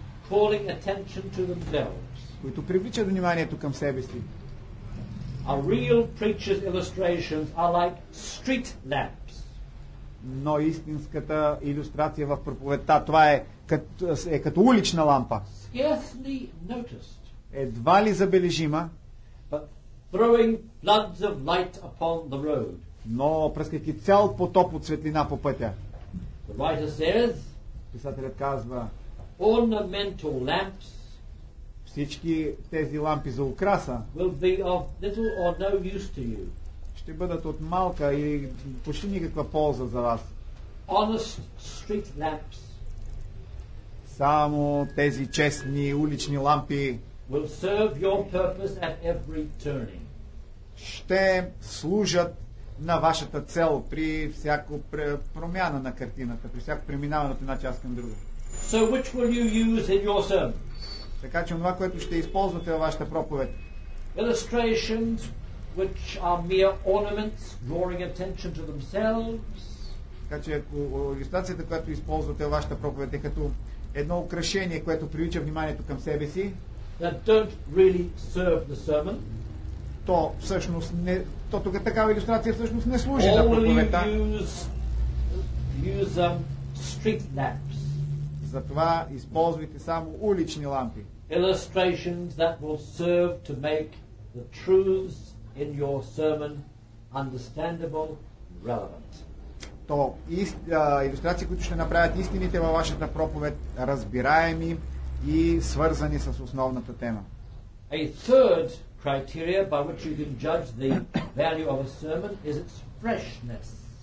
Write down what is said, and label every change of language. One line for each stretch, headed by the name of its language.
English: Calling attention to themselves.
Bulgarian: Които привличат вниманието към себе си.
English: A real preacher's illustrations are like street lamps.
Bulgarian: Но истинската илюстрация в проповедта, това е като улична лампа.
English: Scarcely noticed.
Bulgarian: Едва ли забележима.
English: But throwing floods of light upon the road.
Bulgarian: Но пръскайки цял потоп от светлина по пътя.
English: The writer says,
Bulgarian: писателят казва,
English: ornamental lamps,
Bulgarian: всички тези лампи за украса,
English: will be of little or no use to you.
Bulgarian: Ще бъдат от малка и почти никаква полза за вас.
English: Honest street lamps.
Bulgarian: Само тези честни улични лампи
English: will serve your purpose at every turning.
Bulgarian: Ще служат на вашата цел при всяко промяна на картината, при всяко преминаване от една част към друга.
English: So which will you use in your sermon?
Bulgarian: Така че това, което ще използвате във вашата проповед.
English: Illustrations which are mere ornaments drawing attention to themselves.
Bulgarian: Така че илюстрацията, която използвате във вашата проповед, е като едно украшение, което привлича вниманието към себе си.
English: That don't really serve the sermon.
Bulgarian: То всъщност не, то тук такава илюстрация всъщност не служи на проповедта.
English: Only use street lamps.
Bulgarian: Затова използвайте само улични лампи.
English: Illustrations that will serve to make the truths in your sermon understandable, relevant.
Bulgarian: То илюстрации, които ще направят истините във вашата проповед разбираеми и свързани с основната тема.
English: A third criteria by which you can judge the value of a sermon is its freshness.